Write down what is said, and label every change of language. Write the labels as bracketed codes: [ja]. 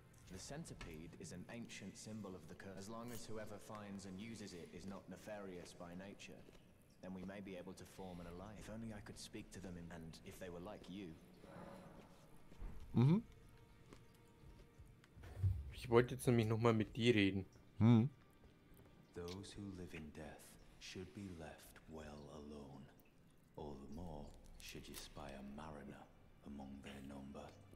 [en] The centipede is an ancient symbol of the curse. As long as whoever finds and uses it is not nefarious by nature, then we may be able to form an alliance. If only I could speak to them in, and if they were like you. Mhm. [de] Ich wollte jetzt nämlich nochmal mit dir reden. Hm. [en] Those who live in death should be left well alone. All the more should you spy a mariner among their number.